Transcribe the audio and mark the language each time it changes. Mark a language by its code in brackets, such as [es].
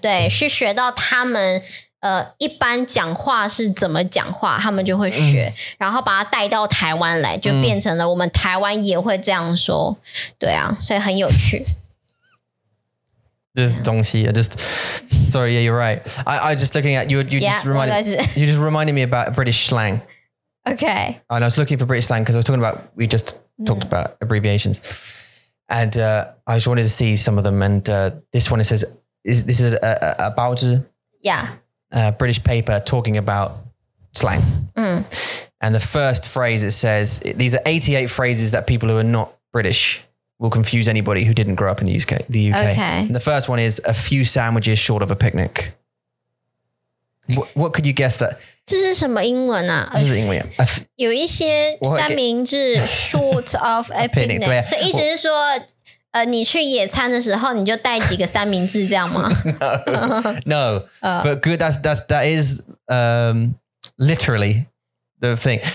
[zh] 对去学到他们一般讲话是怎么讲话他们就会学然后把它带到台湾来就变成了我们台湾也会这样说对啊所以很有趣这东西 [en] Sorry, yeah, you're right. I was just looking at you just reminded me about British slang. Okay. And I was looking for British slang because I was talking about, we just talked about abbreviations. And I just wanted to see some of them and this one, it says, this is a Baozi. Yeah. British paper talking about slang. And the first phrase it says, these are 88 phrases that people who are not British will confuse anybody who didn't grow up in the UK. The UK. Okay. And the first one is a few sandwiches short of a picnic. What could you guess that? [zh] 这是什么英文啊? 这是英文啊。有一些三明治 [en] short of a picnic. [zh] 所以意思是说你去野餐的时候你就带几个三明治这样吗? [en] No, but good, that is literally the thing.